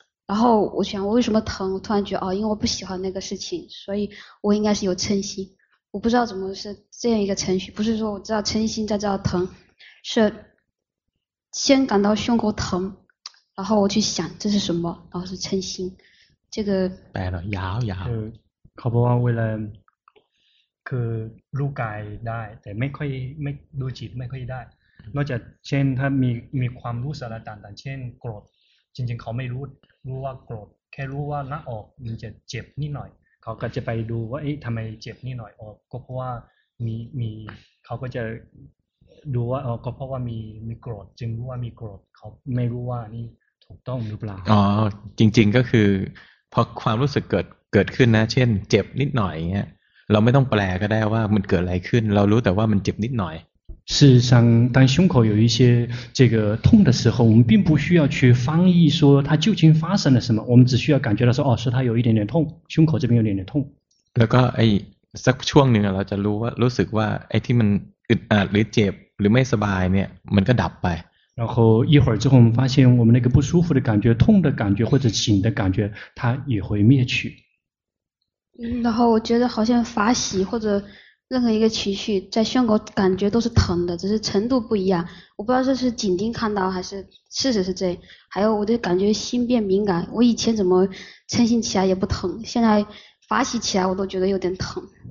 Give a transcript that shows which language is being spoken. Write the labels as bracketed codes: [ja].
[zh] 然后我想我为什么疼我突然觉得哦因为我不喜欢那个事情所以我应该是有嗔心我不知道怎么是这样一个程序不是说我知道嗔心再知道疼是先感到胸口疼然后我去想这是什么然后是嗔心这个白了摇摇可不可以为了 [th] คือรู้กายได้แต่ไม่ค่อยไม่ดูจิตไม่ค่อยได้นอกจากเช่นถ้ามีความรู้สารต่างๆเช่นโกรธจริงๆเขาไม่รู้ว่าโกรธแค่รู้ว่าหน้าอกมันจะเจ็บนิดหน่อยเขาก็จะไปดูว่าเอ๊ะทำไมเจ็บนิดหน่อยออกก็เพราะว่ามีเขาก็จะดูว่าออกก็เพราะว่ามีโกรธจึงรู้ว่ามีโกรธเขาไม่รู้ว่านี่ถูกต้องหรือเปล่า อ๋อจริงๆก็คือพอความรู้สึกเกิดขึ้นนะเช่นเจ็บนิดหน่อยเงี้ยเราไม่ต้องแปลก็ได้ว่ามันเกิดอะไรขึ้นเรารู้แต่ว่ามันเจ็บนิดหน่อย [zh] 事实上当胸口有一些这个痛的时候我们并不需要去翻译说它究竟发生了什么我们只需要感觉到说哦是它有一点点痛胸口这边有点点痛 [th] แล้วก็ไอ้สักช่วงนึงเราจะรู้สึกว่าไอ้ที่มันอึดอัดหรือเจ็บหรือไม่สบายเนี่ยมันก็ดับไป [zh] 然后一会儿之后我们发现我们那个不舒服的感觉痛的感觉或者紧的感觉它也会灭去然后我觉得好像法喜或者任何一个情绪在胸口感觉都是疼的只是程度不一样我不知道这是紧盯看到还是事实是这样还有我的感觉心变敏感我以前怎么嗔心起来也不疼现在法喜起来我都觉得有点疼